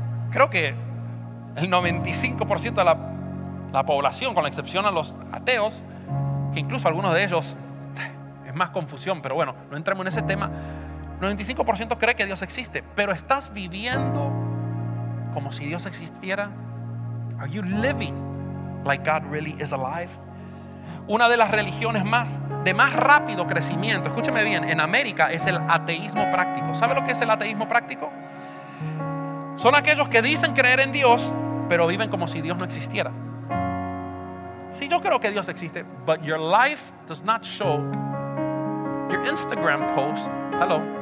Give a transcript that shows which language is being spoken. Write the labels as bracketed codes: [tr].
[es] Creo que el 95% de la población, con la excepción a los ateos, que incluso algunos de ellos, es más confusión, pero bueno, no entremos en ese tema. 95% cree que Dios existe, pero ¿estás viviendo como si Dios existiera? [en] Are you living like God really is alive? [es] Una de las religiones de más rápido crecimiento, escúcheme bien, en América, es el ateísmo práctico. ¿Sabe lo que es el ateísmo práctico? Son aquellos que dicen creer en Dios, pero viven como si Dios no existiera. Sí, yo creo que Dios existe, [en] but your life does not show. Your Instagram post, hello,